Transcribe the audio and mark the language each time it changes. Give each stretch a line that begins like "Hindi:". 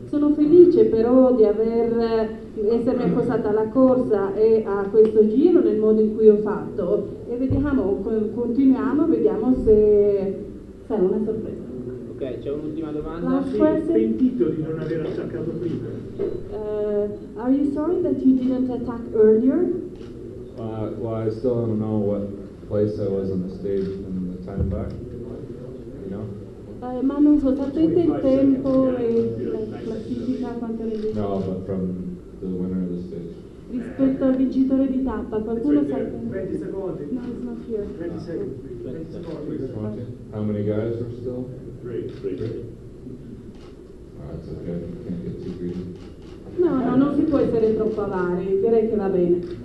Italian: Sono felice però di essermi accostata alla corsa e a questo giro nel modo in cui ho fatto. E vediamo, continuiamo se sarà una sorpresa. Ok, c'è un'ultima domanda. Pentito di non aver attaccato prima.
English: Are you sorry that you didn't attack earlier? Well, I still don't know what place I was on the stage and the time back.
Italian: Ma non so, sapete il tempo e la classifica quanto ne dice?
English: No, but from the winner of the stage.
Italian: Rispetto al vincitore di tappa, qualcuno sa? 20 secondi.
English: No, it's not here.
Italian: 20 secondi. 20 secondi.
English: How many guys are still? Three. Alright, okay. Can't get too greedy.
Italian: No, non si può essere troppo avari, direi che va bene.